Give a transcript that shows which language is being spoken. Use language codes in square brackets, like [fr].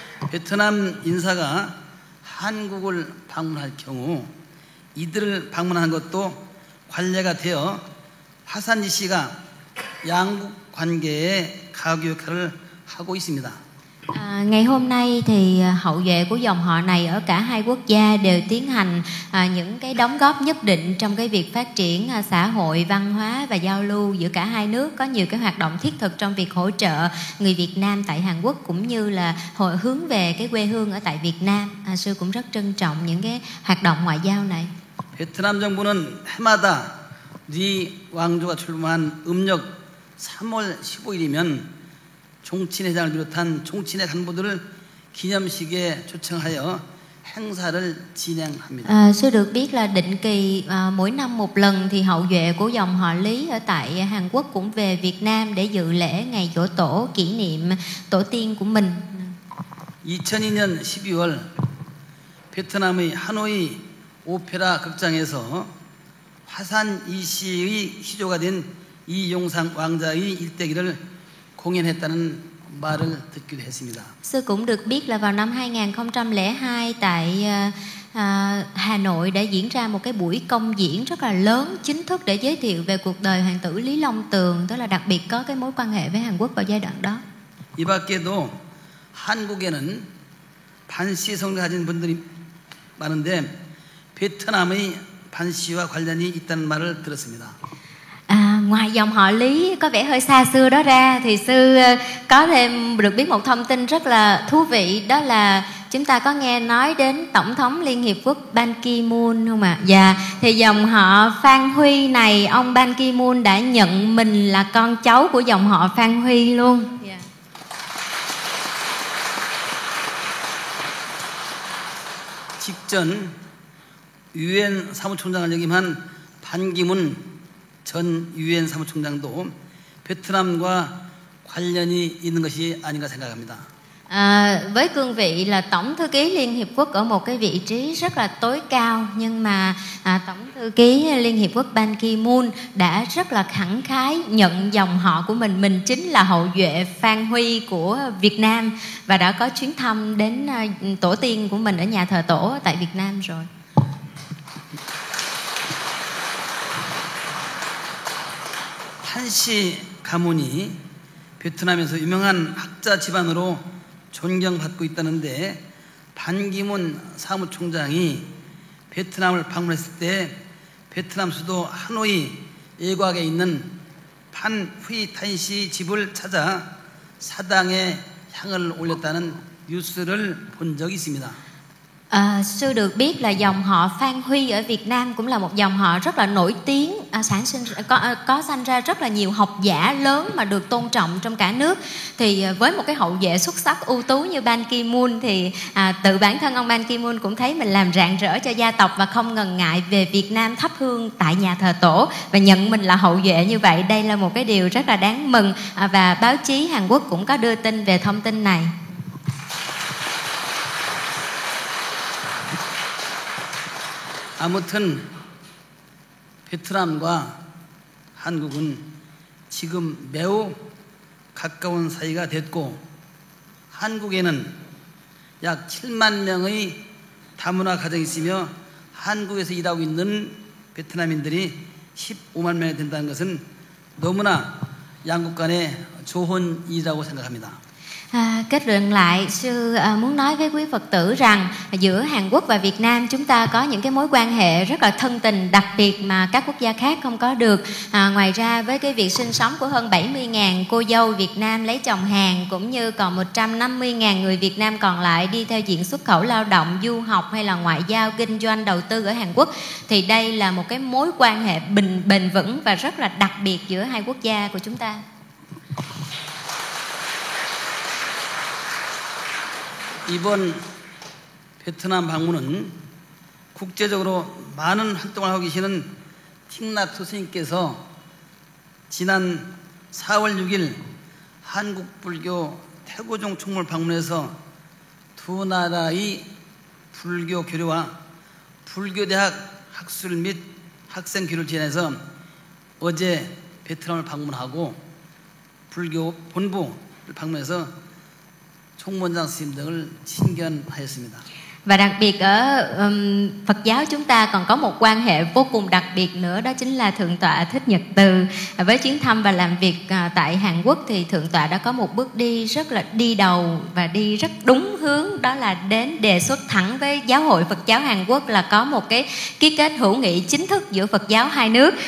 [ko] 베트남 인사가 한국을 방문할 경우 이들을 방문한 것도 관례가 되어 화산지 씨가 양국 관계에 가교 역할을 하고 있습니다. [vi] Ngày hôm nay thì hậu duệ của dòng họ này ở cả hai quốc gia đều tiến hành những cái đóng góp nhất định trong cái việc phát triển xã hội, văn hóa và giao lưu giữa cả hai nước. Có nhiều cái hoạt động thiết thực trong việc hỗ trợ người Việt Nam tại Hàn Quốc cũng như là hồi hướng về cái quê hương ở tại Việt Nam. Sư cũng rất trân trọng những cái hoạt động ngoại giao này. [ko] Việt Nam 정부는 해마다 리 왕조가 출범한 음력 3월 15일이면 종친회장을 비롯한 종친회 간부들을 기념식에 초청하여 행사를 진행합니다. [vi] Sư được biết là định kỳ mỗi năm một lần thì hậu duệ của dòng họ Lý ở tại Hàn Quốc cũng về Việt Nam để dự lễ ngày giỗ tổ kỷ niệm tổ tiên của mình. [ko] 2002년 12월 베트남의 하노이 오페라 극장에서 화산 이씨의 시조가 된 이 용상 왕자의 일대기를 공연했다는 말을 듣기도 했습니다. [vi] Sư cũng được biết là vào năm 2002 tại Hà Nội đã diễn ra một cái buổi công diễn rất là lớn chính thức để giới thiệu về cuộc đời hoàng tử Lý Long Tường, tức là đặc biệt có cái mối quan hệ với Hàn Quốc vào giai đoạn đó. [ko] 이 밖에도 한국에는 반씨 성을 가진 분들이 많은데 베트남의 Phan Xi와 관련이 있다는 말을 들었습니다. [vi] À, ngoài dòng họ Lý có vẻ hơi xa xưa đó ra thì sư có thêm được biết một thông tin rất là thú vị, đó là chúng ta có nghe nói đến Tổng thống Liên Hiệp Quốc Ban Ki-moon không ạ? Dạ, thì dòng họ Phan Huy này, ông Ban Ki-moon đã nhận mình là con cháu của dòng họ Phan Huy luôn. Dạ. [ko] 직전 UN 사무총장을 역임한 반기문 전 유엔 사무총장도 베트남과 관련이 있는 것이 아닌가 생각합니다. [vi] Với cương vị là tổng thư ký Liên Hiệp Quốc ở một cái vị trí rất là tối cao, nhưng mà tổng thư ký Liên Hiệp Quốc Ban Ki-moon đã rất là khẳng khái nhận dòng họ của mình, mình chính là hậu duệ Phan Huy của Việt Nam và đã có chuyến thăm đến tổ tiên của mình ở nhà thờ tổ tại Việt Nam rồi. [ko] 한씨 가문이 베트남에서 유명한 학자 집안으로 존경받고 있다는데 반기문 사무총장이 베트남을 방문했을 때 베트남 수도 하노이 일각에 있는 판휘 탄씨 집을 찾아 사당에 향을 올렸다는 뉴스를 본 적이 있습니다. [vi] Sư được biết là dòng họ Phan Huy ở Việt Nam cũng là một dòng họ rất là nổi tiếng, có sanh ra rất là nhiều học giả lớn mà được tôn trọng trong cả nước. Thì với một cái hậu duệ xuất sắc ưu tú như Ban Ki-moon thì tự bản thân ông Ban Ki-moon cũng thấy mình làm rạng rỡ cho gia tộc và không ngần ngại về Việt Nam thắp hương tại nhà thờ tổ và nhận mình là hậu duệ như vậy. Đây là một cái điều rất là đáng mừng và báo chí Hàn Quốc cũng có đưa tin về thông tin này. [ko] 아무튼 베트남과 한국은 지금 매우 가까운 사이가 됐고 한국에는 약 7만 명의 다문화 가정이 있으며 한국에서 일하고 있는 베트남인들이 15만 명이 된다는 것은 너무나 양국 간의 좋은 일이라고 생각합니다. [vi] Kết luận lại, sư muốn nói với quý Phật tử rằng giữa Hàn Quốc và Việt Nam chúng ta có những cái mối quan hệ rất là thân tình đặc biệt mà các quốc gia khác không có được. Ngoài ra với cái việc sinh sống của hơn 70.000 cô dâu Việt Nam lấy chồng Hàn cũng như còn 150.000 người Việt Nam còn lại đi theo diện xuất khẩu lao động, du học hay là ngoại giao, kinh doanh, đầu tư ở Hàn Quốc thì đây là một cái mối quan hệ bền vững và rất là đặc biệt giữa hai quốc gia của chúng ta. [ko] 이번 베트남 방문은 국제적으로 많은 활동을 하고 계시는 틱낫 선생님께서 지난 4월 6일 한국 불교 태고종 총무를 방문해서 두 나라의 불교 교류와 불교대학 학술 및 학생 교류를 진행해서 어제 베트남을 방문하고 불교 본부를 방문해서 총무원장 선생님 등을 친견하였습니다. [vi] Và đặc biệt ở Phật giáo chúng ta còn có một quan hệ vô cùng đặc biệt nữa, đó chính là Thượng tọa Thích Nhật Từ. Với chuyến thăm và làm việc tại Hàn Quốc thì Thượng tọa đã có một bước đi rất là đi đầu và đi rất đúng hướng, đó là đến đề xuất thẳng với Giáo hội Phật giáo Hàn Quốc là có một cái ký kết hữu nghị chính thức giữa Phật giáo hai nước.